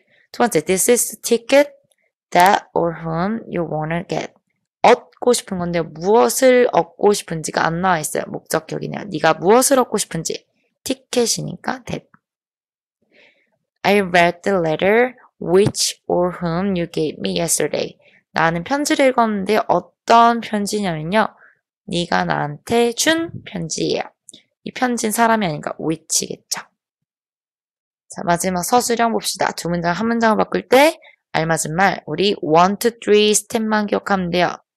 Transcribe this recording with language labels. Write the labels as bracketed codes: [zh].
[ko] 두 번째, [en] this is the ticket that or whom you wanna get. [ko] 얻고 싶은 건데 무엇을 얻고 싶은지가 안 나와 있어요. 목적격이네요. 네가 무엇을 얻고 싶은지. 티켓이니까 that. [en] I read the letter which or whom you gave me yesterday. [ko] 나는 편지를 읽었는데 어떤 편지냐면요. 네가 나한테 준 편지예요. 이 편지는 사람이 아닌가? which겠죠. 자, 마지막 서술형 봅시다. 두 문장, 한 문장을 바꿀 때 알맞은 말. 우리 1, 2, 3 스텝만 기억하면 돼요.